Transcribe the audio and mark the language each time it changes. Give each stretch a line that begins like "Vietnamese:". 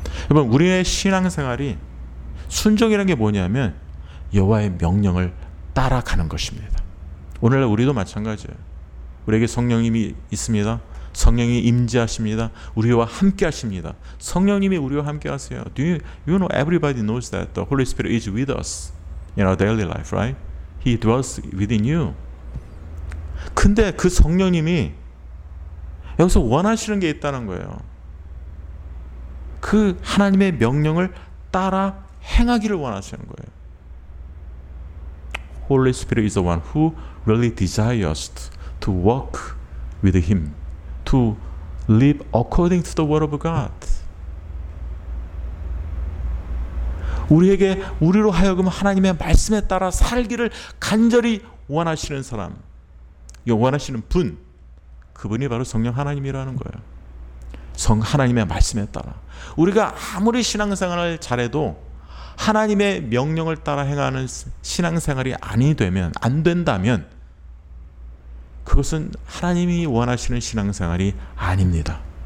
Korean: 여러분, 우리의 신앙생활이 순종이라는 게 뭐냐면 여호와의 명령을 따라가는 것입니다. 오늘날 우리도 마찬가지예요. 우리에게 성령님이 있습니다. 성령이 임재하십니다. 우리와 함께 하십니다. 성령님이 우리와 함께 하세요.
English: Do you, you know everybody knows that the Holy Spirit is with us in our daily life, right? He dwells within you.
Korean: 근데 그 성령님이 여기서 원하시는 게 있다는 거예요. 그 하나님의 명령을 따라 행하기를 원하시는 거예요.
English: Holy Spirit is the one who really desires to walk with him, to live according to the word of God.
Korean: 우리에게 우리로 하여금 하나님의 말씀에 따라 살기를 간절히 원하시는 사람, 원하시는 분, 그분이 바로 성령 하나님이라는 거예요. 성 하나님의 말씀에 따라 우리가 아무리 신앙생활을 잘해도 하나님의 명령을 따라 행하는 신앙생활이 아니 되면, 안 된다면 그것은 하나님이 원하시는 신앙생활이 아닙니다.